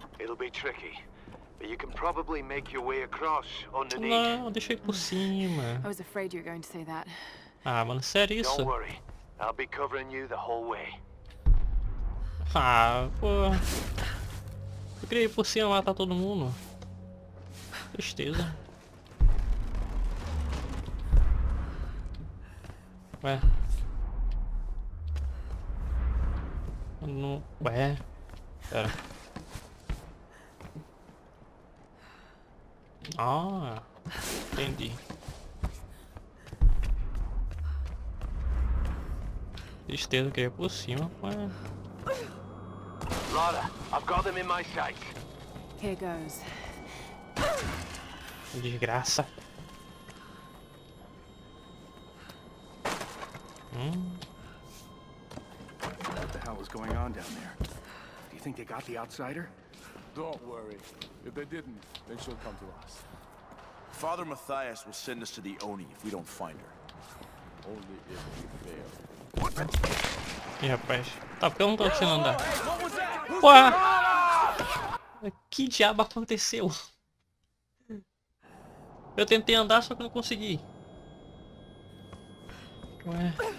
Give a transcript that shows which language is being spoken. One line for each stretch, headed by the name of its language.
English: It'll be tricky, but you can probably make your way across underneath.
Portuguese: Não, deixa eu ir por cima.
English: I was afraid you were going to say that.
Portuguese: Ah, mano, sério isso?
English: Don't worry, I'll be covering you the whole way.
Portuguese: Ah, pô. Eu queria ir por cima e matar todo mundo. Tristeza. Ué. Não. Ué? Pera. Ah, entendi. Tristeza que é por cima, ué.
English: Lara, I've got them in my sight. Here goes.
Portuguese: Desgraça.
English: What the hell is going on down there? Do you think they got the outsider? Don't worry. If they didn't, then she'll come to us. Father Matthias will send us to the Oni if we don't find her. Only if we fail.
Portuguese: E rapaz, tá pelo menos você não andar. Ué! Que diabo aconteceu? Eu tentei andar, só que não consegui. Ué.